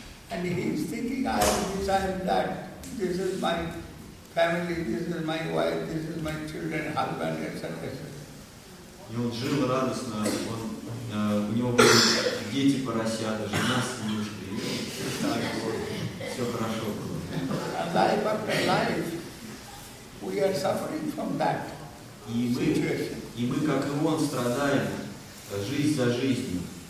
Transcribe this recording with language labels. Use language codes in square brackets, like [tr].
[en] And he is thinking, I desire that this is my family, this is my wife, this is my children, husband, etc. [ru] И он жил радостно, он у него были дети поросята, жена с мужем, все хорошо было. [en] And life after life, we are suffering from that situation. [ru] И мы, как и он, страдаем жизнь за жизнью.